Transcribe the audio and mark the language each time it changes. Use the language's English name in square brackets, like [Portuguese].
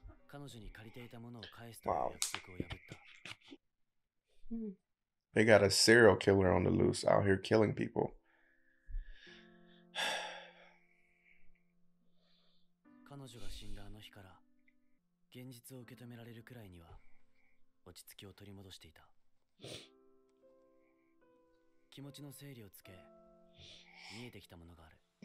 [Japanese] 彼女に借りていたものを返すという約束を破った。 [English] They got a serial killer on the loose out here killing people. [Japanese] 彼女が死んだあの日から現実を受け止められるくらいには落ち着きを取り戻していた。気持ちの整理をつけ、見えてきたものがある。